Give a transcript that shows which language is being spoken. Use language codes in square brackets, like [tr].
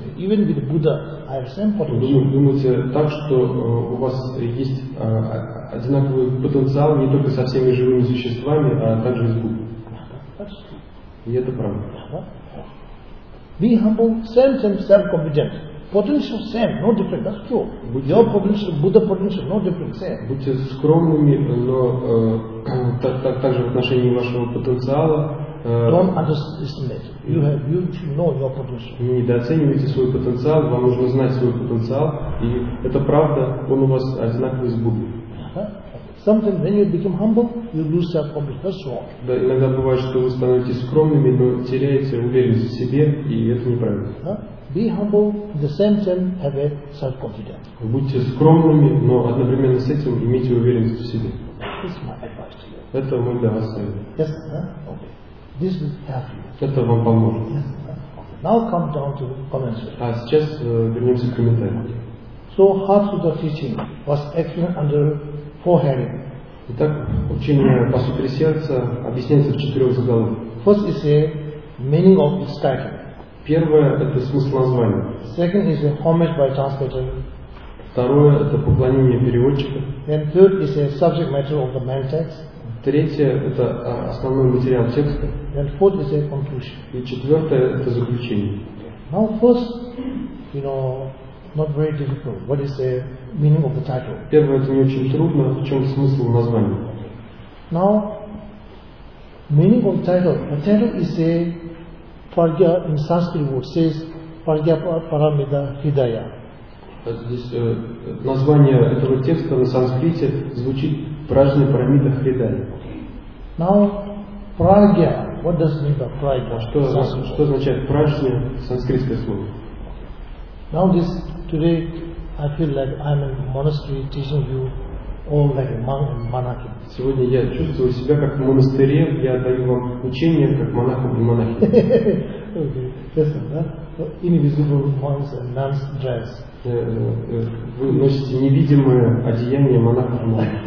[en] Even with Buddha, I have same potential. [ru] Думайте так, что у вас есть одинаковый потенциал не только со всеми живыми существами, а также с Буддой. И это правда. [en] Be humble, same time, self-confident. Potential same, no different, that's true. Your potential, Buddha potential, no different, same. [ru] Будьте скромными, но также в отношении вашего потенциала. [en] Don't underestimate. You have, you should know your potential. [ru] Не недооценивайте свой потенциал, вам нужно знать свой потенциал. И это правда, он у вас одинаковый с Буддой. [en] Sometimes when you become humble, you lose self-confidence. That's wrong. [ru] Да, иногда бывает, что вы становитесь скромными, но теряете уверенность в себе, и это неправильно. [en] Be humble, at the same time have a self-confidence. [ru] Будьте скромными, но одновременно с этим имейте уверенность в себе. [en] This is my advice to you. [ru] Это мой для вас совет. [en] Yes, huh? Okay. This will help you. [ru] Это вам поможет. [en] Now come down to the commentary. [ru] А сейчас вернемся к комментарию. [en] So Hatsuda teaching was excellent under four headings. [ru] Итак, учение по сути сердца объясняется в четырех заголовках. [en] First is a meaning of its title. [ru] Первое это смысл названия. [en] Second is a homage by translator. [ru] Второе это поклонение переводчика. [en] And third is a subject matter of the main text. [ru] Третье это основной материал текста. [en] And fourth is a conclusion. [ru] И четвертое это заключение. [en] Now first, you know, not very difficult. What is the meaning of the title? [ru] Первое это не очень трудно, в чем смысл названия? [en] Now, meaning of title. The title is a Parga in Sanskrit word says Parga Paramita Hidaya. [ru] Здесь название этого текста на санскрите звучит Пражня Парамита Хридая. [en] Now Pragya, what does mean by Pragya? [ru] Что означает Пражня, санскритское слово? [en] Now this today I feel like I'm in monastery teaching you all like a monk and monarchy. [ru] Сегодня я чувствую себя как в монастыре, я даю вам учение как монаху и монахи. [en] Okay, yes, invisible monks and nuns dress. [ru] Вы носите невидимое одеяние монахов и монахов.